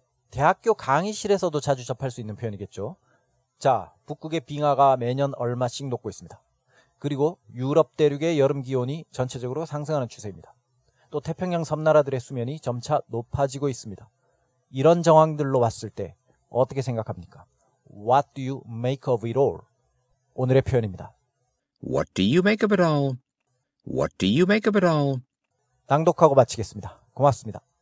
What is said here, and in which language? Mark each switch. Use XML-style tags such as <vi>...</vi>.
<ko>대학교 강의실에서도 자주 접할 수 있는 표현이겠죠. 자, 북극의 빙하가 매년 얼마씩 녹고 있습니다. 그리고 유럽 대륙의 여름 기온이 전체적으로 상승하는 추세입니다. 또 태평양 섬나라들의 수면이 점차 높아지고 있습니다. 이런 정황들로 봤을 때 어떻게 생각합니까?</ko> <en>What do you make of it all?</en> <ko>오늘의 표현입니다.</ko> <en>What do you make of it all? What do you make of it all?</en> <ko>낭독하고 마치겠습니다. 고맙습니다.</ko>